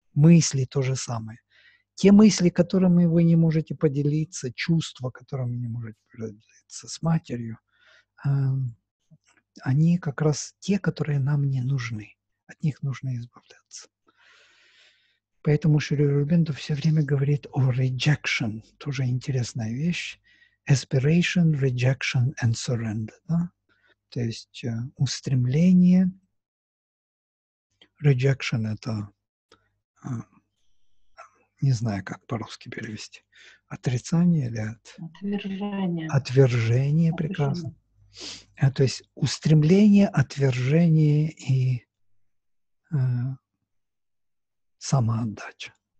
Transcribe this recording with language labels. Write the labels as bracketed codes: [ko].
[ru] Мысли то же самое. Те мысли, которыми вы не можете поделиться, чувства, которыми не можете поделиться с матерью, они как раз те, которые нам не нужны. От них нужно избавляться. Поэтому Шри Аурбиндо все время говорит о rejection. Тоже интересная вещь. [en] Aspiration, rejection and surrender. [ru] Да? То есть устремление. Rejection – это, не знаю, как по-русски перевести. Отрицание или отвержение. Отвержение, прекрасно. То есть устремление, отвержение и самоотдача.